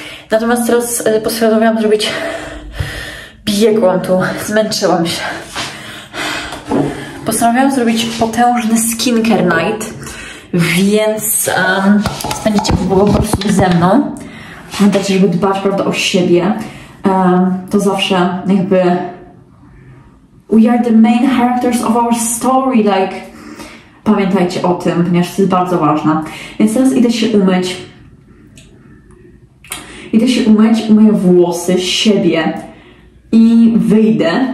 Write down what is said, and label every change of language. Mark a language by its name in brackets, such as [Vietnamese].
[Polish] Natomiast teraz postanowiłam zrobić... Biegłam tu, zmęczyłam się. Postanowiłam zrobić potężny skincare night, więc spędzicie po prostu ze mną. Pamiętajcie, żeby dbać, prawda, o siebie. To zawsze jakby... [English] We are the main characters of our story, like... [Polish] Pamiętajcie o tym, ponieważ to jest bardzo ważne. Więc teraz idę się umyć. Idę się umyć, umyję włosy, siebie. I wyjdę.